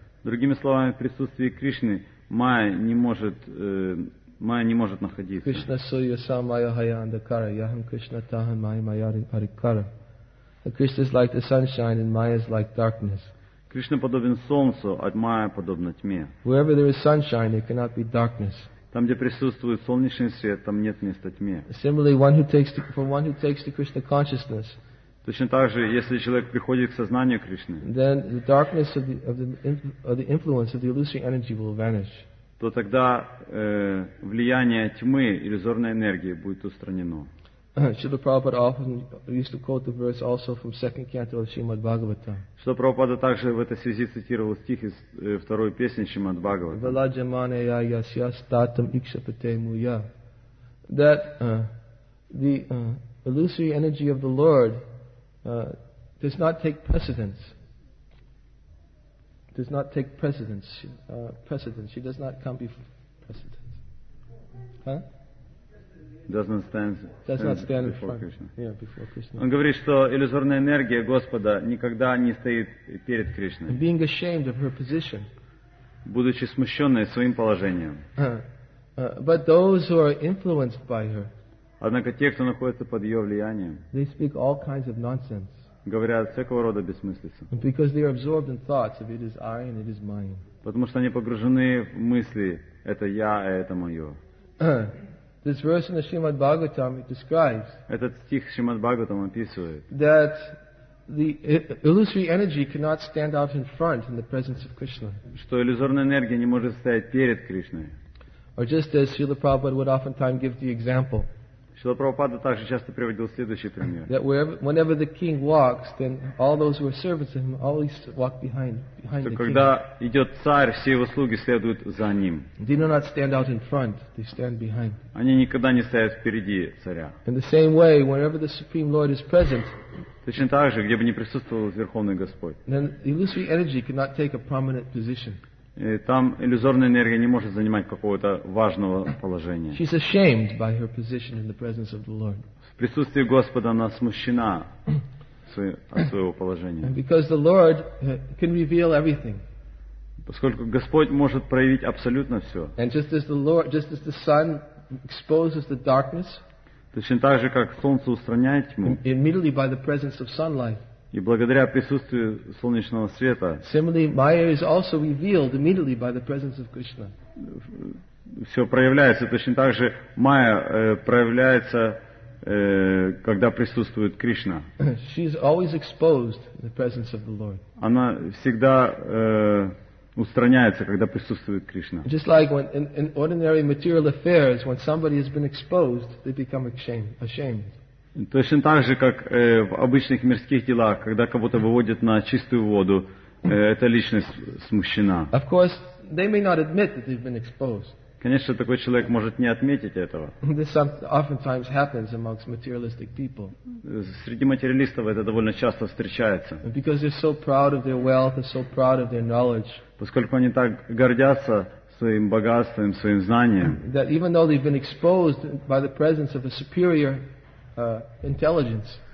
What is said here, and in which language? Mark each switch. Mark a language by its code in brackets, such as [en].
[ru] Другими словами, в присутствии Кришны майя не может находиться. [sa] Krishna suya samaya haya andakara yaham krishna taham maya mayari parikara. [en] Krishna is like the sunshine and maya is like darkness. [ru] Krishna подобен солнцу, а майя подобна тьме. [en] Wherever there is sunshine, there cannot be darkness. [ru] Там, где присутствует солнечный свет, там нет места тьме. [en] Similarly, one who takes to Krishna consciousness. [ru] Точно так же, если человек приходит к сознанию Кришны, [en] then the darkness of the influence of the illusory energy will vanish. [ru] То тогда влияние тьмы, иллюзорной энергии, будет устранено. [en] Srila Prabhupada often used to quote the verse also from second canto of Srimad Bhagavatam. [ru] Srila Prabhupada также в этой связи цитировал стих из второй песни Srimad Bhagavatam. [sa] Vilajamanaya yasya statam ikshapate muya. [en] That the illusory energy of the Lord does not take precedence. does not take precedence. Precedence. She does not come before precedence. Huh? Does not stand before front. Krishna. Yeah, before Krishna. [ru] Он говорит, что иллюзорная энергия Господа никогда не стоит перед Кришной. [en] And being ashamed of her position. [ru] Будучи смущенной своим положением. [en] But those who are influenced by her. [ru] Однако те, кто находится под ее влиянием. [en] They speak all kinds of nonsense. [ru] Говорят всякого рода бессмыслица. [en] Because they are absorbed in thoughts of it is I and it is mine. [ru] Потому что они погружены в мысли это я, а это мое. [en] This verse in the Srimad Bhagavatam describes [ru] этот стих Шримад Бхагаватам описывает [en] that the illusory energy cannot stand out in front in the presence of Krishna. [ru] Что иллюзорная энергия не может стоять перед Кришной. [en] Or just as Srila Prabhupada would oftentimes give the example. [ru] Шрила Прабхупада также часто приводил следующий пример. [en] That whenever the king walks, then all those who are servants of him always walk behind the king. [ru] Когда идет царь, все его слуги следуют за ним. [en] They do not stand out in front; they stand behind. [ru] Они никогда не стоят впереди царя. [en] In the same way, whenever the supreme lord is present. [ru] Точно так же, где бы не присутствовал Верховный Господь. [en] Then illusory energy cannot take a prominent position. [ru] И там иллюзорная энергия не может занимать какого-то важного положения. [en] She's ashamed by her position in the presence of the Lord. [ru] В присутствии Господа она смущена от своего положения. [en] And because the Lord can reveal everything. [ru] Поскольку Господь может проявить абсолютно все. [en] And just as the sun exposes the darkness. [ru] Точно так же, как солнце устраняет тьму. [en] Immediately by the presence of sunlight. [ru] И благодаря присутствию солнечного света. [en] Similarly, Maya is also revealed immediately by the presence of Krishna. [ru] Все проявляется точно так же. Майя проявляется, когда присутствует Кришна. [en] She is always exposed in the presence of the Lord. [ru] Она всегда устраняется, когда присутствует Кришна. [en] Just like when in ordinary material affairs, when somebody has been exposed, they become ashamed. [ru] Точно так же, как в обычных мирских делах, когда кого-то выводят на чистую воду, эта личность смущена. [en] Of course, they may not admit that they've been exposed. [ru] Конечно, такой человек может не отметить этого. [en] This oftentimes happens amongst materialistic people. [ru] Среди материалистов это довольно часто встречается. [en] Because they're so proud of their wealth and so proud of their knowledge. [ru] Поскольку они так гордятся своим богатством, своим знанием. [en] That even though they've been exposed by the presence of a superior intelligence.